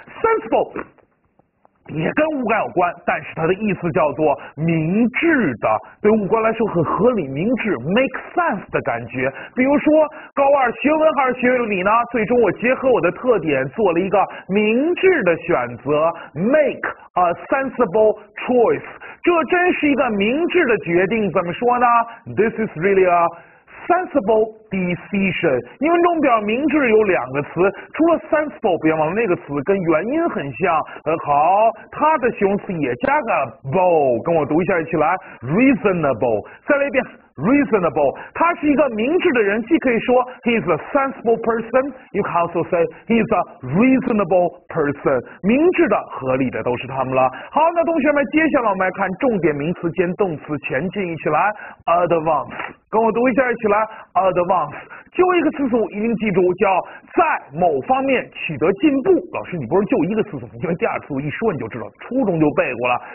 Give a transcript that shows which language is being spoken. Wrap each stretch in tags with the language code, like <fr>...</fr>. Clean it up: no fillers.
<zh>sensible 也跟五感有关，但是它的意思叫做明智的，对五官来说很合理、明智 ，</zh> <en>make sense</en> <zh>的感觉。比如说，高二学文还是学理呢？最终我结合我的特点做了一个明智的选择 ，make。</zh> <en>A sensible choice，</en> <zh>这真是一个明智的决定。怎么说呢</zh> <en>？This is really a sensible decision。</en> <zh>英文中表明智有两个词，除了 sensible， 别忘了那个词跟原因很像。好，它的形容词也加个 able， 跟我读一下一起来 ，reasonable。再来一遍。 Reasonable， 他是一个明智的人，既可以说</zh> <en>he's a sensible person， you can also say he's a reasonable person，</en> <zh>明智的、合理的都是他们了。好，那同学们，接下来我们来看重点名词兼动词前进一起来 ，advance， 跟我读一下一起来 ，advance。就一个词组，一定记住，叫在某方面取得进步。老师，你不是就一个词组，因为第二词组一说你就知道，初中就背过了。</zh>